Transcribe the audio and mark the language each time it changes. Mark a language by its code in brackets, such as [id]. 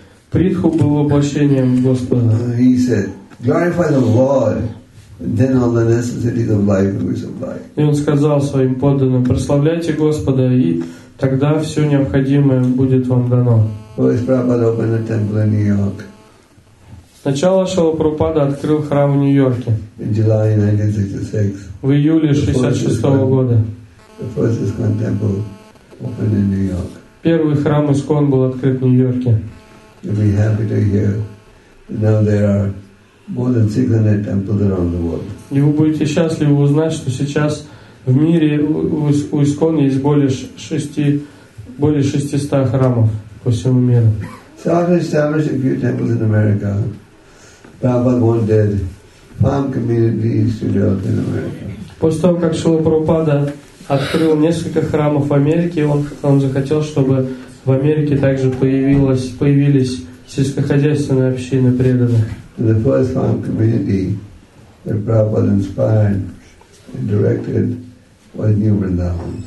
[ru] Притху был воплощением Господа. [en] He said, "Glorify the Lord, and then all the necessities of life will supply." [ru] И он сказал своим подданным: "Прославляйте Господа, и тогда все необходимое будет вам дано." [en] First, Prabhupada opened a temple in New York. [ru] Сначала Шрила Прабхупада открыл храм в Нью-Йорке. [en] In July 1966. [ru] В июле 66 года. [en] The first ISKCON temple opened in New York. [ru] Первый храм ИСКОН был открыт в Нью-Йорке. [en] You'll be happy to hear. Now there are more than 600 temples around the world. [ru] И вы будете счастливы узнать, что сейчас в мире у ИСКОН есть более 600 храмов по всему миру. [en] So I've established a few temples in America. Prabhupada wanted farm communities to develop in America. [ru] После того, как Шрила Прабхупада открыл несколько храмов в Америке, он захотел, чтобы в Америке также появились сельскохозяйственные общины преданных. [en] The first farm community that Prabhupada inspired and directed was New Vrindavan.